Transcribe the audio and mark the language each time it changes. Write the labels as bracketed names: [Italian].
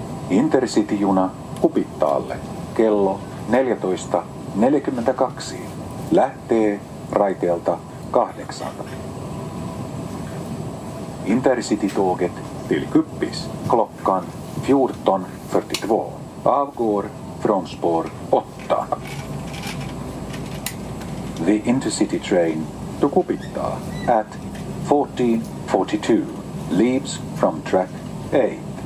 [Finnish] Intercity-juna Upittaalle kello 14.42 lähtee raiteelta 8. [Swedish] Intercity-tåget till Kuppis klockan 14.42 avgår från spår 8. [English] The intercity train to Kupitta at 14.42 leaves from track 8.